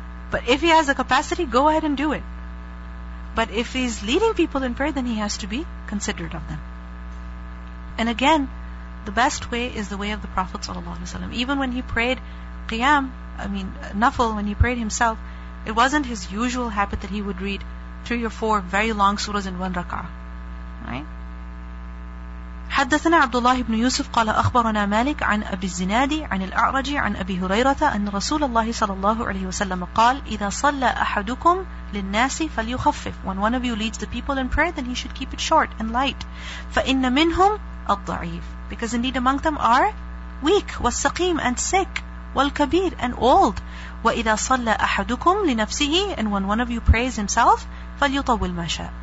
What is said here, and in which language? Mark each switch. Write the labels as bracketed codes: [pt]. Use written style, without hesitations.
[en] But if he has the capacity, go ahead and do it. But if he's leading people in prayer, then he has to be considerate of them. And again, the best way is the way of the Prophet ﷺ. Even when he prayed Qiyam, Nafl, when he prayed himself, it wasn't his usual habit that he would read 3 or 4 very long surahs in one rak'ah. Right? [ar] حدثنا عبد الله بن يوسف قال أخبرنا مالك عن أبي الزنادي عن الأعرج عن أبي هريرة أن رسول الله صلى الله عليه وسلم قال إذا صلى أحدكم للناس فليخفف. [en] When one of you leads the people in prayer, then he should keep it short and light. [ar] فإن منهم الضعيف. [en] Because indeed among them are weak, [ar] والسقيم [en] and sick, [ar] والكبير [en] and old. [ar] وإذا صلى أحدكم لنفسه, [en] and when one of you prays himself, [ar] فليطول ما شاء.